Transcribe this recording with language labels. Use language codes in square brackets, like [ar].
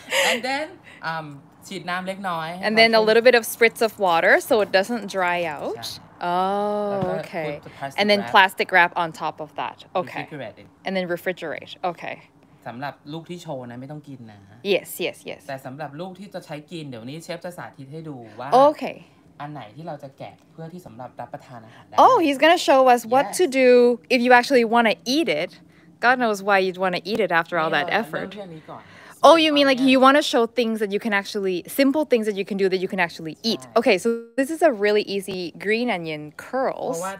[en] And then [th] ฉีดน้ำเล็กน้อย [en] and then a little bit of spritz of water so it doesn't dry out. Okay. And then plastic wrap on top of that. Okay. And then refrigerate. Okay. [th] สำหรับลูกที่โชว์นะไม่ต้องกินนะ [en] Yes. [th] แต่สำหรับลูกที่จะใช้กินเดี๋ยวนี้เชฟจะสาธิตให้ดูว่า [en] Okay. [th] อันไหนที่เราจะแกะเพื่อที่สำหรับรับประทานอาหาร [en] Oh, he's going to show us what to do if you actually want to eat it. God knows why you'd want to eat it after all that effort. Oh, you mean like you want to show things that you can actually, simple things that you can do that you can actually eat. Okay, so this is a really easy green onion curls.